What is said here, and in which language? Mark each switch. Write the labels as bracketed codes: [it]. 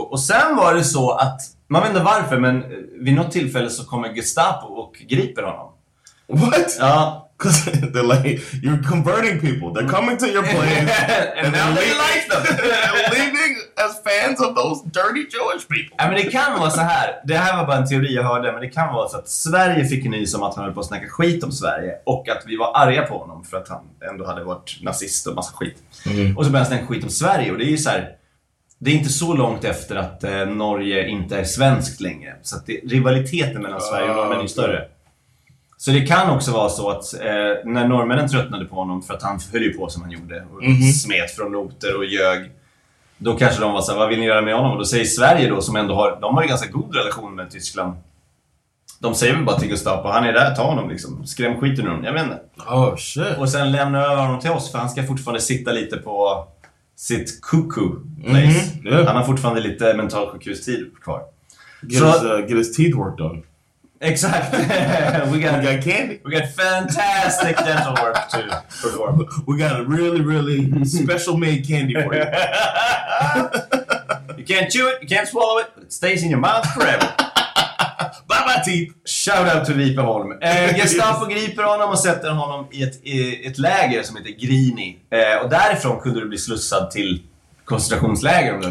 [sv] Och sen var det så att, man vet inte varför, men vid något tillfälle så kommer Gestapo och griper honom. [en] What? [sv] Ja. [en] Because they're like, you're converting people. They're coming to your place. And now they like them. They're leaving as fans of those dirty Jewish people. I mean, [sv] det kan vara så här. Det här var bara en teori jag hörde. Men det kan vara så att Sverige fick en nys om att han höll på att snacka skit om Sverige. Och att vi var arga på honom för att han ändå hade varit nazist och massa skit. Mm. Och så började han snacka skit om Sverige. Och det är ju så här, det är inte så långt efter att Norge inte är svenskt längre. Så att det, rivaliteten mellan Sverige och Norge är större. Så det kan också vara så att när norrmännen tröttnade på honom, för att han höll ju på som han gjorde och smet från noter och ljög, då kanske de var så här, vad vill ni göra med honom? Och då säger Sverige då, som ändå har, de har ju ganska god relation med Tyskland, de säger väl bara till Gustav, han är där, ta honom liksom, skräm skiten ur honom, jag menar. [en] Oh, shit. [sv] Och sen lämnar över honom till oss, för han ska fortfarande sitta lite på sitt [en] cuckoo place. [sv] Yeah. Han har fortfarande lite mental sjukhustid kvar. [en] Get his teeth worked on. Exactly. We got candy. We got fantastic dental work to perform. We got a really, really special made candy for you. You can't chew it, you can't swallow it, but it stays in your mouth forever. Bye bye teeth. Shout out to Ripeholm. [sv] Gestapo griper honom och sätter honom i ett läger som heter Grini. Och därifrån kunde du bli slussad till koncentrationsläger.